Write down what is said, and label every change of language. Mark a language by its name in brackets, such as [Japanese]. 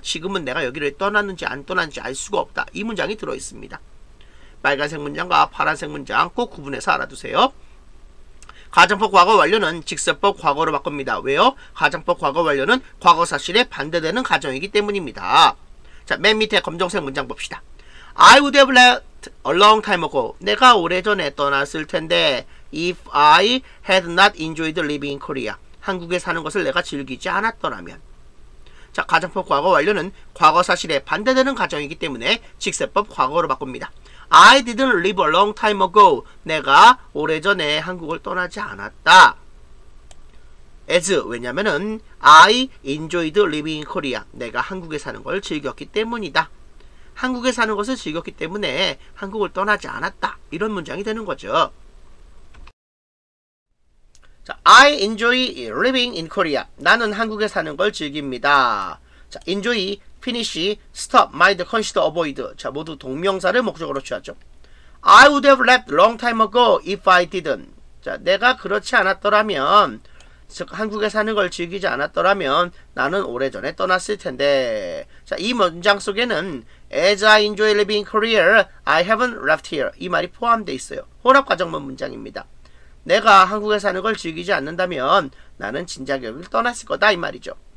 [Korean] 지금은 내가 여기를 떠났는지 안 떠났는지 알 수가 없다. 이 문장이 들어있습니다. 빨간색 문장과 파란색 문장 꼭 구분해서 알아두세요. 가정법 과거 완료는 직설법 과거로 바꿉니다. 왜요? 가정법 과거 완료는 과거 사실에 반대되는 가정이기 때문입니다. 자, 맨 밑에 검정색 문장 봅시다. [English] I would have left a long time ago. [Korean] 내가 오래전에 떠났을 텐데 [English] if I had not enjoyed living in Korea. [Korean] 한국에 사는 것을 내가 즐기지 않았더라면. 자, 가정법 과거 완료는 과거 사실에 반대되는 가정이기 때문에 직설법 과거로 바꿉니다. [English] I didn't live a long time ago. [Korean] 내가 오래전에 한국을 떠나지 않았다. [English] As, [Korean] 왜냐면은 [English] I enjoyed living in Korea. [Korean] 내가 한국에 사는 걸 즐겼기 때문이다. 한국에 사는 것을 즐겼기 때문에 한국을 떠나지 않았다. 이런 문장이 되는 거죠. [English] 자, I enjoy living in Korea. [Korean] 나는 한국에 사는 걸 즐깁니다. [English] 자, enjoy, finish, stop, mind, consider, avoid. [Korean] 자, 모두 동명사를 목적으로 취하죠. [English] I would have left long time ago if I didn't. [Korean] 자, 내가 그렇지 않았더라면, 즉 한국에 사는 걸 즐기지 않았더라면 나는 오래전에 떠났을 텐데. 자, 이 문장 속에는 [English] As I enjoy living in Korea, I haven't left here. [Korean] 이 말이 포함되어 있어요. 혼합과정문 문장입니다. 내가 한국에 사는 걸 즐기지 않는다면 나는 진작 여기를 떠났을 거다, 이 말이죠.